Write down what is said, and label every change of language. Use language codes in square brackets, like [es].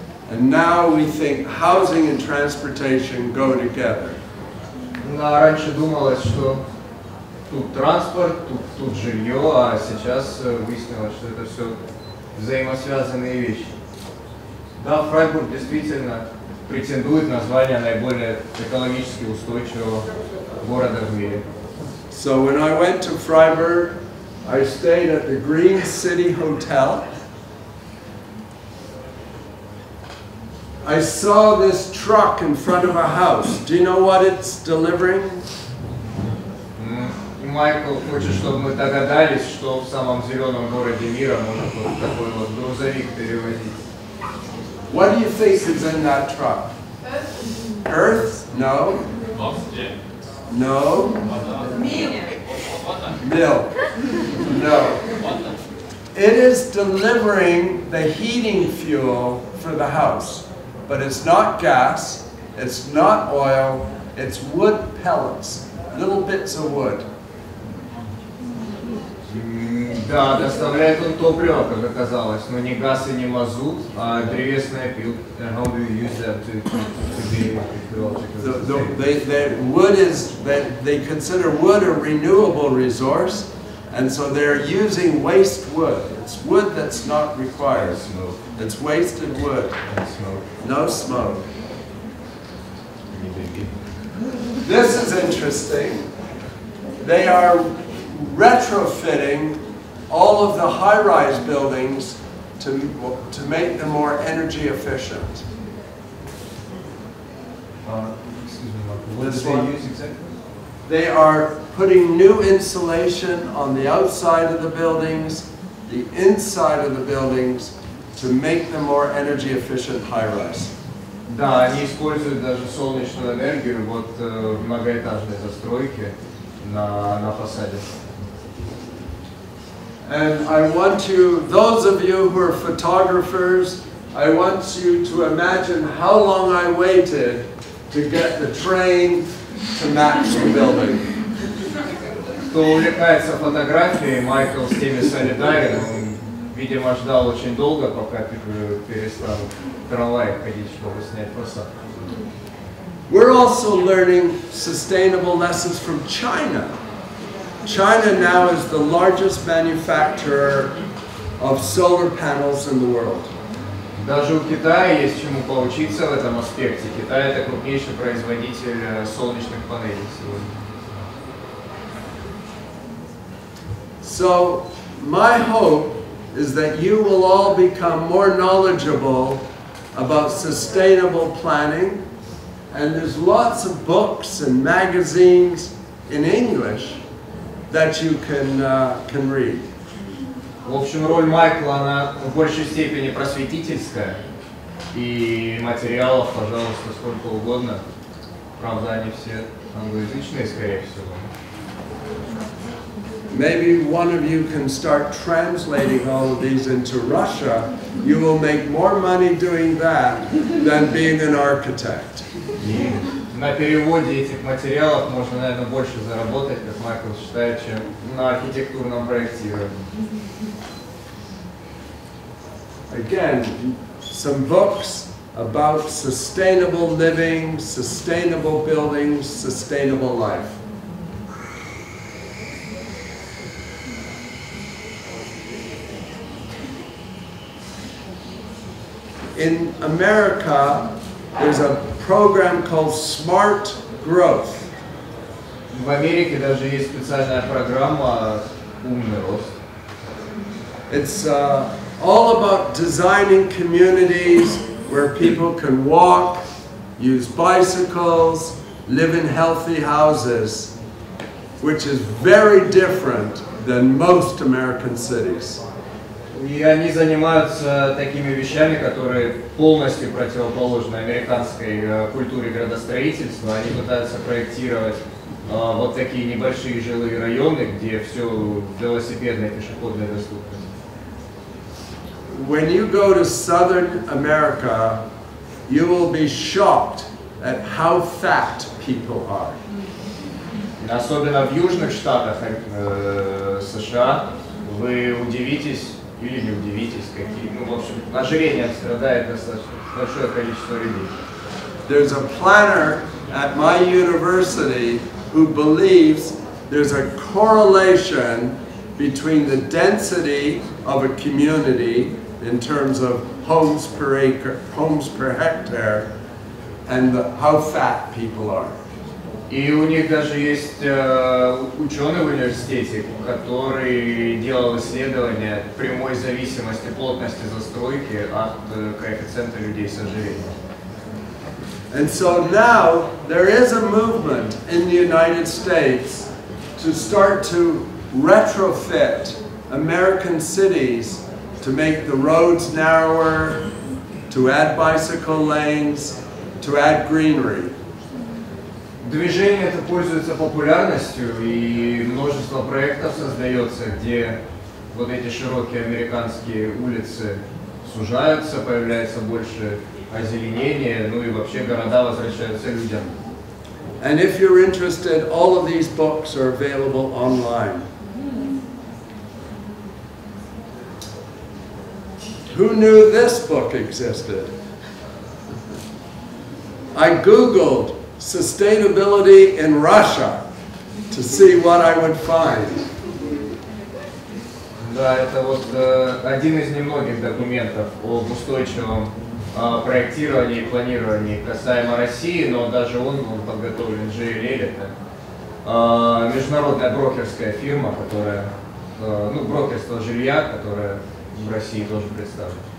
[en] And now we think housing and transportation go together. [ru] Ну, раньше думалось, что тут транспорт, тут жилье, а сейчас выяснилось, что это все взаимосвязанные вещи. Да, Фрайбург действительно претендует на звание наиболее экологически устойчивого города в мире. [en] So when I went to Freiburg, I stayed at the Green City Hotel. I saw this truck in front of a house. Do you know what it's delivering? [ru] Майкл хочет, чтобы мы догадались, что в самом зеленом городе мира может вот такой вот грузовик перевозить. [en] What do you think is in that truck? Earth? No. Oxygen? No. Milk? No. It is delivering the heating fuel for the house. But it's not gas, it's not oil, it's wood pellets, little bits of wood. [ru] Да, доставляет он топливо, как оказалось, но не газ и не мазут, а древесная пилка. [en] How do you use that to be wood is they consider wood a renewable resource, and so they're using waste wood. It's wood that's not required. Smoke. It's wasted wood. And smoke. No smoke. This is interesting. They are retrofitting all of the high-rise buildings to make them more energy efficient. Excuse me, Mark. What did they use exactly? They are putting new insulation on the outside of the buildings, the inside of the buildings, to make them more energy efficient high-rise. [ru] Да, они используют даже солнечную энергию вот в многоэтажной застройке на фасаде. [en] And I want you, those of you who are photographers, I want you to imagine how long I waited to get the train to match the building. [ru] Кто увлекается фотографией, Майкл с теми санитарами, он, видимо, ждал очень долго, пока перестал трамвай ходить, чтобы снять фасад. [en] We're also learning sustainable lessons from China. China now is the largest manufacturer of solar panels in the world. [ru] Даже у Китая есть чему поучиться в этом аспекте. Китай это крупнейший производитель солнечных панелей сегодня. [en] So my hope is that you will all become more knowledgeable about sustainable planning, and there's lots of books and magazines in English that you can read. [ru] В общем, роль Майкла, она в большей степени просветительская. И материалов, пожалуйста, сколько угодно. Правда, они все англоязычные, скорее всего. [en] Maybe one of you can start translating all of these into Russia. You will make more money doing that than being an architect. [ru] На переводе этих материалов можно, наверное, больше заработать, как Майкл считает, чем на архитектурном проектировании. [en] Again, some books about sustainable living, sustainable buildings, sustainable life. In America, there's a program called Smart Growth. [ru] В Америке даже есть специальная программа «Умный рост». [en] It's all about designing communities where people can walk, use bicycles, live in healthy houses, which is very different than most American cities. [ru] И они занимаются такими вещами, которые полностью противоположны американской культуре градостроительства. Они пытаются проектировать вот такие небольшие жилые районы, где все велосипедное, пешеходное доступно. [en] When you go to Southern America, you will be shocked at how fat people are. [ru] Особенно в южных штатах США вы удивитесь, или не удивитесь, какие, ну, в общем, ожирение страдает достаточно большое количество людей. [en] There's a planner at my university who believes there's a correlation between the density of a community in terms of homes per acre, homes per hectare, and the, how fat people are. [ru] И у них даже есть ученый в университете, который делал исследование прямой зависимости плотности застройки от коэффициента людей с ожирением. [en] And so now there is a movement in the United States to start to retrofit American cities to make the roads narrower, to add bicycle lanes, to add greenery. [ru] Движение это пользуется популярностью, и множество проектов создается, где вот эти широкие американские улицы сужаются, появляется больше озеленения, ну и вообще города возвращаются людям. [en] And if you're interested, all of these books are available online. Who knew this book existed? I googled sustainability in Russia to see what I would find. [ru] Да, это вот один из немногих документов об устойчивом проектировании и планировании касаемо России, но даже он подготовлен, JLL, это международная брокерская фирма, которая, ну, брокерство жилья, которое в России тоже представлено.